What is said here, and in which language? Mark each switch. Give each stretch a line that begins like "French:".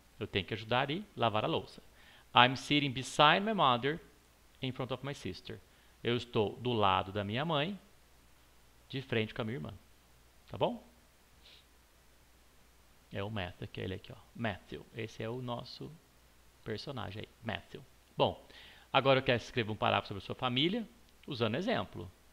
Portuguese: Eu tenho que ajudar e lavar a louça.
English: I'm sitting beside my mother in front of my sister.
Portuguese: Eu estou do lado da minha mãe, de frente com a minha irmã. Tá bom? É o Matthew, aquele aqui, ó. Matthew. Esse é o nosso personagem aí. Matthew. Bom, agora eu quero que você escreva um parágrafo sobre a sua família, usando exemplo.